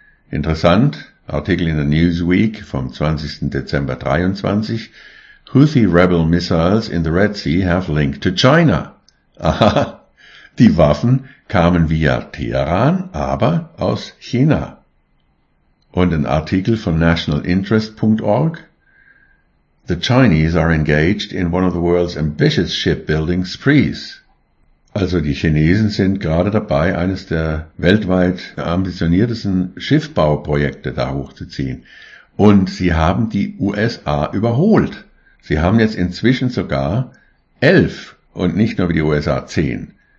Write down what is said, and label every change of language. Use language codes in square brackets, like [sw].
[de] Interessant, Artikel in der Newsweek vom 20. [en] Dezember 23. Houthi Rebel Missiles in the Red Sea have linked to China. [de] Aha, die Waffen kamen via Teheran, aber aus China. Und ein Artikel von nationalinterest.org. [en] The Chinese are engaged in one of the world's ambitious shipbuilding sprees. [de] Also die Chinesen sind gerade dabei, eines der weltweit ambitioniertesten Schiffbauprojekte da hochzuziehen. Und sie haben die USA überholt. Sie haben jetzt inzwischen sogar 11 und nicht nur wie die USA 10